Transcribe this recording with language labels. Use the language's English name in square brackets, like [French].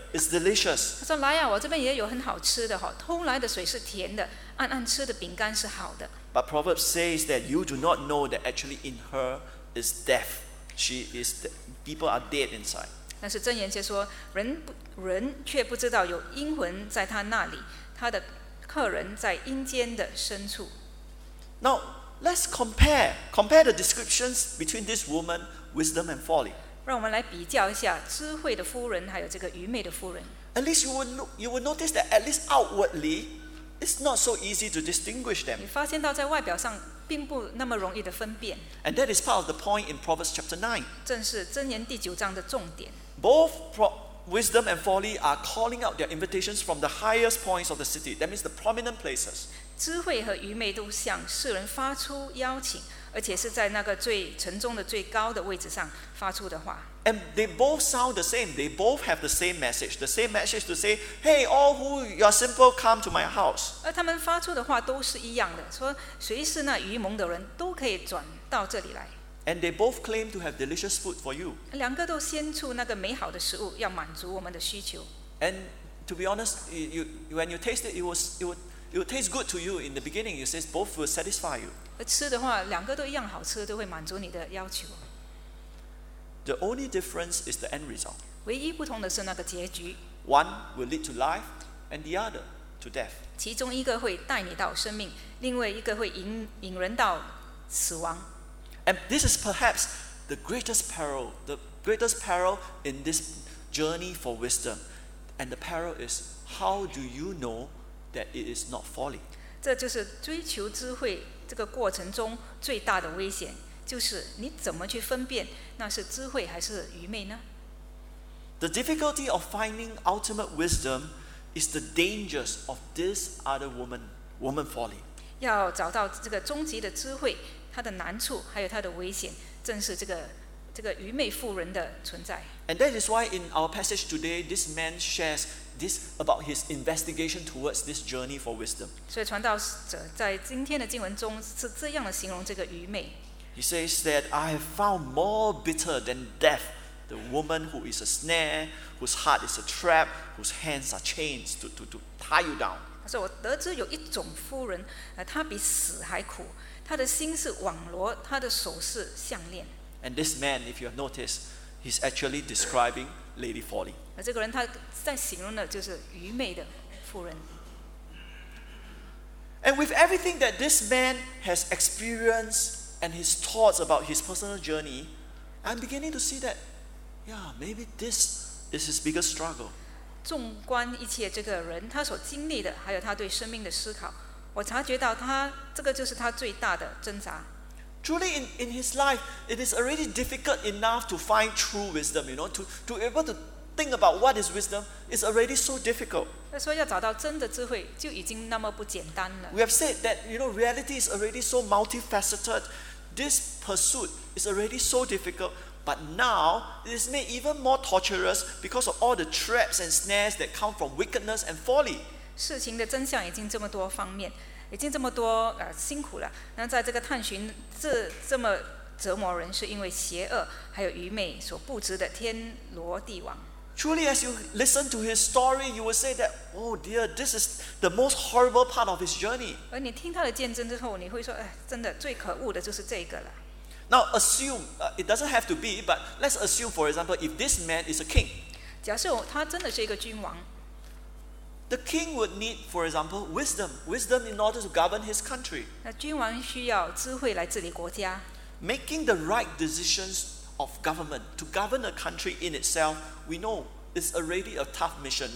[English] It's delicious." [Chinese] 她说：“来呀，我这边也有很好吃的哈，偷来的水是甜的，暗暗吃的饼干是好的。” [English] But Proverbs says that you do not know that actually in her is death. She is people are dead inside. [Chinese] 但是箴言却说，人却不知道有阴魂在她那里，她的客人在阴间的深处。 [English] Now. Let's compare the descriptions between this woman, wisdom and folly. [Chinese] 让我们来比较一下智慧的妇人还有这个愚昧的妇人。 [English] At least you will notice that at least outwardly, it's not so easy to distinguish them. [Chinese] 你发现到在外表上并不那么容易的分辨。 [English] And that is part of the point in Proverbs chapter 9. [Chinese] 正是箴言第九章的重点。 [English] Both wisdom and folly are calling out their invitations from the highest points of the city. That means the prominent places. [Chinese] 智慧和愚昧都向世人发出邀请，而且是在那个最城中的最高的位置上发出的话。 [English] And they both sound the same. They both have the same message. The same message to say, "Hey, all who you are simple, come to my house." [Chinese] 而他们发出的话都是一样的，说谁是那愚蒙的人都可以转到这里来。 [English] And they both claim to have delicious food for you. [Chinese] 两个都先出那个美好的食物，要满足我们的需求。 [English] And to be honest, when you taste it, it will taste good to you in the beginning. It says both will satisfy you. [Chinese] 吃的话，两个都一样好吃，都会满足你的要求。 [English] The only difference is the end result. [Chinese] 唯一不同的是那个结局。 [English] One will lead to life, and the other to death. [Chinese] 其中一个会带你到生命，另外一个会 引人到死亡。 [English] And this is perhaps the greatest peril, in this journey for wisdom. And the peril is, how do you know that it is not folly? [Chinese] 这就是追求智慧这个过程中最大的危险，就是你怎么去分辨那是智慧还是愚昧呢？ [English] The difficulty of finding ultimate wisdom is the dangers of this other woman folly. [Chinese] 要找到这个终极的智慧，它的难处还有它的危险，正是这个愚昧妇人的存在。 [English] And that is why in our passage today, this man shares this about his investigation towards this journey for wisdom. [Chinese] 所以传道者在今天的经文中是这样的形容这个愚昧。 [English] He says that I have found more bitter than death, the woman who is a snare, whose heart is a trap, whose hands are chains to tie you down. [Chinese] 他说我得知有一种妇人，她比死还苦，她的心是网罗，她的手是项链。 [English] And this man, if you have noticed, he's actually describing Lady Folly. [Chinese] 这个人他在形容的就是愚昧的妇人。 [English] And with everything that this man has experienced and his thoughts about his personal journey, I'm beginning to see that, yeah, maybe this is his biggest struggle. [Chinese] 纵观一切这个人他所经历的，还有他对生命的思考，我察觉到他这个就是他最大的挣扎。 [English] Truly in his life, it is already difficult enough to find true wisdom, you know, to be able to think about what is wisdom is already so difficult. [Chinese] 所以要找到真的智慧就已经那么不简单了。 [English] We have said that, you know, reality is already so multifaceted. This pursuit is already so difficult. But now, it is made even more torturous because of all the traps and snares that come from wickedness and folly. [Chinese] 事情的真相已经这么多方面。已经这么多辛苦了，那在这个探寻这么折磨人，是因为邪恶还有愚昧所布置的天罗地网。 [English] Truly, as you listen to his story, you will say that, oh dear, this is the most horrible part of his journey. [Chinese] 而你听他的见证之后，你会说，哎，真的最可恶的就是这个了。 [English] Now assume, it doesn't have to be, but let's assume, for example, if this man is a king. [Chinese] 假设他真的是一个君王。 [English] The king would need, for example, wisdom in order to govern his country. [Chinese] 那君王需要智慧来治理国家。 [English] Making the right decisions of government to govern a country in itself, we know, is already a tough mission.